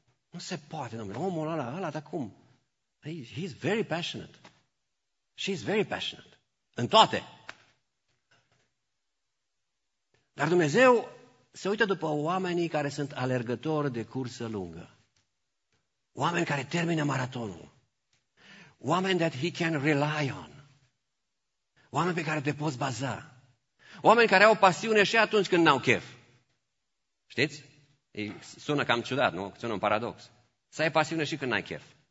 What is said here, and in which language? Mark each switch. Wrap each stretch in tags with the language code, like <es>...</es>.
<ro>Nu se poate, domnule, omul ăla, dar cum?</ro> <en>He's very passionate. She's very passionate.</en> <ro>În toate. Dar Dumnezeu se uită după oamenii care sunt alergători de cursă lungă. Oameni care termină maratonul. Oameni</ro> <en>that he can rely on.</en> <ro>Oameni pe care te poți baza. Oameni care au pasiune și atunci când n-au chef. Știți? Sună cam ciudat, nu? Sună un paradox. Să ai pasiune și când n-ai chef.</ro>